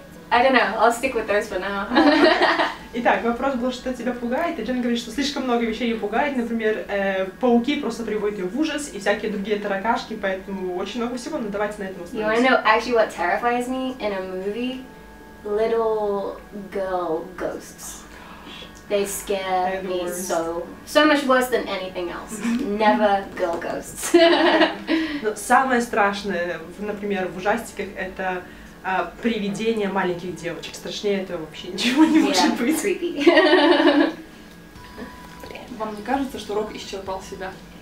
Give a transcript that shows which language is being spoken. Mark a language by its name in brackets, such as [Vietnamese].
[English] I don't know, I'll stick with those for now. [Russian] Итак, вопрос был, что тебя пугает, и Джен говорит, что слишком много вещей ее пугает, например, пауки просто приводят ее в ужас, и всякие другие таракашки, поэтому очень много всего, но давайте на этом остановимся. [English] You wanna know actually what terrifies me in a movie? little girl ghosts. They scare me so much worse than anything else. Never girl ghosts. [Russian] Но самое страшное, например, в ужастиках, это привидения маленьких девочек. Страшнее этого вообще ничего не может быть. [English] Yeah, creepy. [Russian] Вам не кажется, что Рок исчерпал себя?